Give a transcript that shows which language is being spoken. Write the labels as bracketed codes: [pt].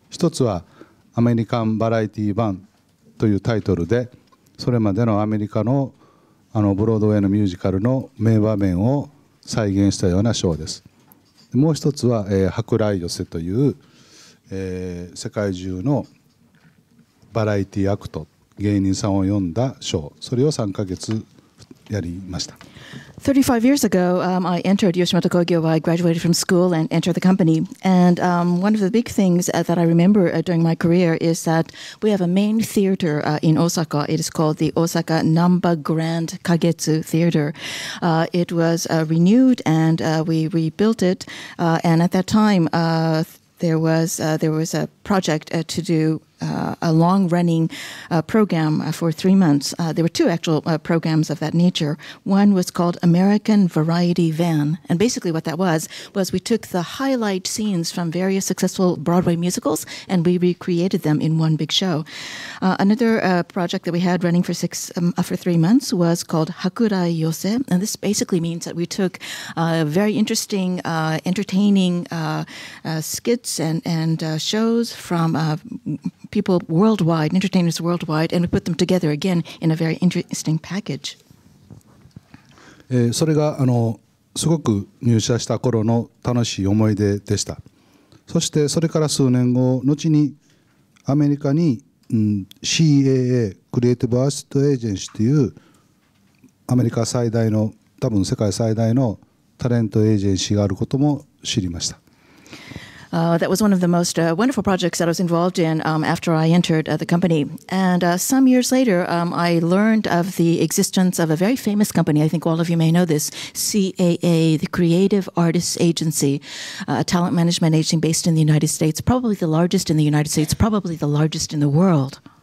[ja] 1つはアメリカンバラエティ版というタイトルで、それまでのアメリカのブロードウェイのミュージカルの名場面を再現したようなショーです。もう一つは舶来寄せという、世界中のバラエティアクト、芸人さんを呼んだショー、それを3ヶ月やりました。 [en] 35 years ago, I entered Yoshimoto Kogyo. I graduated from school and entered the company. And one of the big things that I remember during my career is that we have a main theater in Osaka. It is called the Osaka Namba Grand Kagetsu Theater. It was renewed and we rebuilt it. And at that time, there was a project to do a long-running program for 3 months. There were two actual programs of that nature. One was called American Variety Van. And basically what that was we took the highlight scenes from various successful Broadway musicals and we recreated them in one big show. Another project that we had running for for 3 months was called Hakurai Yose. And this basically means that we took very interesting, entertaining skits and shows from people worldwide, entertainers worldwide, and we put them together again in a very interesting package. [ja] それがすごく入社した頃の楽しい思い出でした。そしてそれから数年後、後にアメリカに、CAA、クリエイティブアシストエージェンシーというアメリカ最大の、多分世界最大のタレントエージェンシーがあることも知りました。 [en] That was one of the most wonderful projects that I was involved in after I entered the company. And some years later, I learned of the existence of a very famous company. I think all of you may know this, CAA, the Creative Artists Agency, a talent management agency based in the United States, probably the largest in the United States, probably the largest in the world.